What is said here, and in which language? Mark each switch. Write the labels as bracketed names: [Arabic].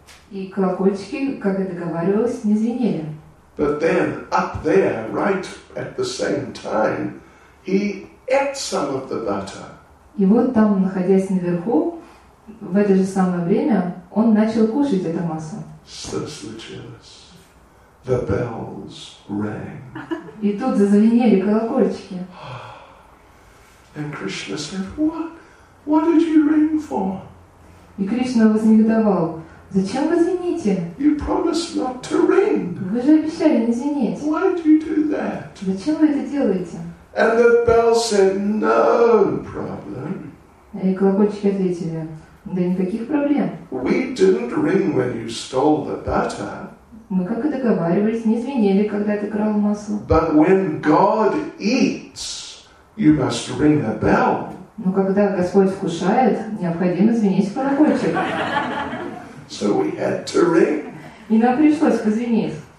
[Russian] И колокольчики, как и договаривалось, не звенели. [English] But then, up there, right at the same time, he ate some of the butter. [Russian] И вот там, находясь наверху, в это же самое время, он начал кушать это масло. Что случилось? [English] The bells rang. [Russian] И тут зазвенели колокольчики. [English] And Krishna said, What did you ring for? [Russian] И Кришна вознегодовал. Зачем вы звените? [English] You promised not to ring. [Russian] Вы же обещали не звенеть. [English] Why do you do that? [Russian] Зачем вы это делаете? [English] And the bell said, no problem. [Russian] И колокольчики ответили, да никаких проблем. [English] We didn't ring when you stole the butter. [Russian] Мы как и договаривались, не звенели, когда ты крал масло. [English] But when God eats, you must ring a bell. [Russian] Но когда Господь вкушает, необходимо звенеть колокольчик. [English] So we had to ring. [Russian] И нам пришлось позвенеть.